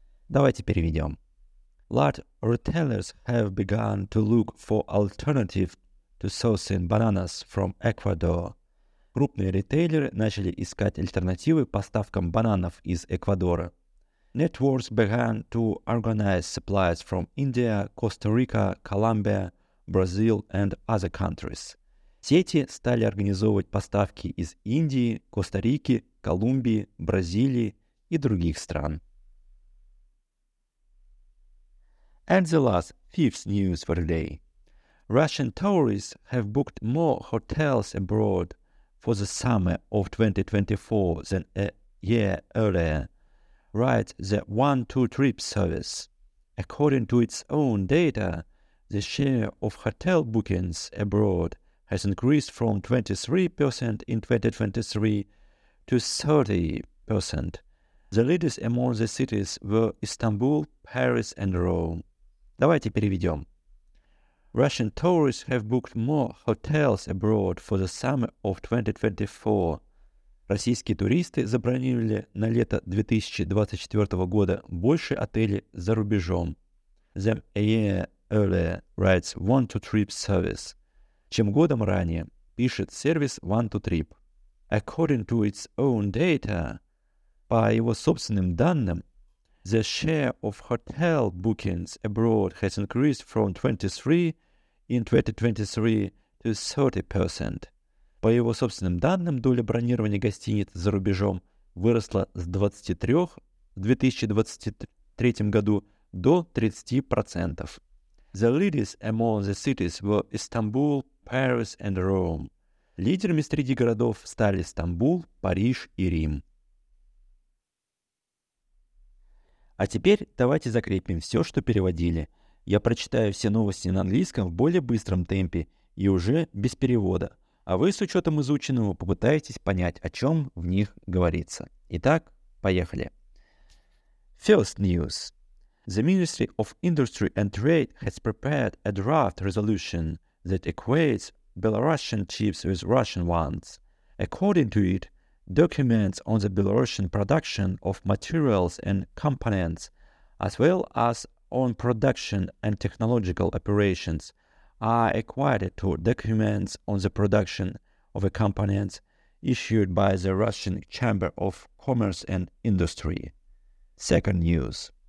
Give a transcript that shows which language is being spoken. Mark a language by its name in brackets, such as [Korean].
[Russian] Давайте переведем. [English] Large retailers have begun to look for alternative to sourcing bananas from Ecuador. [Russian] Крупные ритейлеры начали искать альтернативы поставкам бананов из Эквадора. [English] Networks began to organize supplies from India, Costa Rica, Colombia, Brazil and other countries. [Russian] Сети стали организовывать поставки из Индии, Коста-Рики, Колумбии, Бразилии и других стран. [English] And the last fifth news for today. Russian tourists have booked more hotels abroad for the summer of 2024 than a year earlier, writes the 1-2-Trip service. According to its own data, the share of hotel bookings abroad has increased from 23% in 2023 to 30%. The leaders among the cities were Istanbul, Paris, and Rome. [Russian] Давайте переведем. [English] Russian tourists have booked more hotels abroad for the summer of 2024. [Russian] Российские туристы забронировали на лето 2024 года больше отелей за рубежом. [English] Than a year earlier, writes 1-2-Trip service. [Russian] Чем годом ранее, пишет сервис 1-2-Trip. [English] According to its own data, [Russian] по его собственным данным, [English] the share of hotel bookings abroad has increased from 23% in 2023 to 30%. [Russian] По его собственным данным, доля бронирования гостиниц за рубежом выросла с 23 в 2023 году до 30%. The leaders among the cities were Istanbul, Paris and Rome. Лидерами среди городов стали Стамбул, Париж и Рим. А теперь давайте закрепим все, что переводили. Я прочитаю все новости на английском в более быстром темпе и уже без перевода. А вы, с учетом изученного, попытаетесь понять, о чем в них говорится. Итак, поехали. [English] First news. The Ministry of Industry and Trade has prepared a draft resolution that equates Belarusian chips with Russian ones. According to it, documents on the Belarusian production of materials and components, as well as on production and technological operations, are equated to documents on the production of a component issued by the Russian Chamber of Commerce and Industry. Second news.